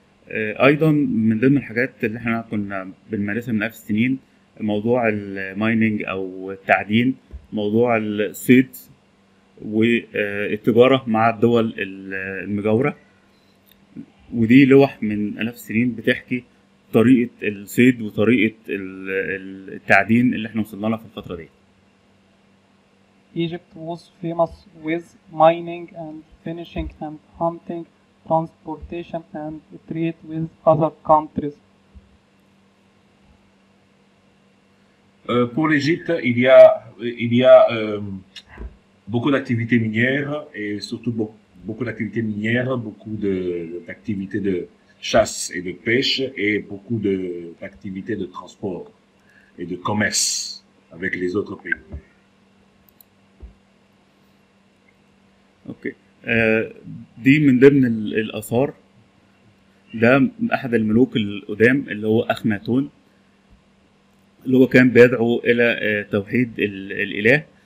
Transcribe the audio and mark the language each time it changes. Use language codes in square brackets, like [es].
[ar] أيضا من ضمن الحاجات اللي احنا كنا بنمارسها من ألف السنين موضوع المايننج أو التعدين، موضوع الصيد والتجارة مع الدول المجاورة، ودي لوح من ألف السنين بتحكي طريقة الصيد وطريقة التعدين اللي احنا وصلنا لها في الفترة دي. [en] Egypt was famous with mining and finishing and hunting. Transportation and trade with other countries. [fr] Pour l'Égypte, il y a beaucoup d'activités minières et surtout beaucoup d'activités minières, beaucoup d'activités de chasse et de pêche et beaucoup d'activités de transport et de commerce avec les autres pays. [en] Ok. [ar] دي من ضمن الآثار، ده أحد الملوك القدام اللي هو أخناتون، اللي هو كان بيدعو إلى توحيد الإله.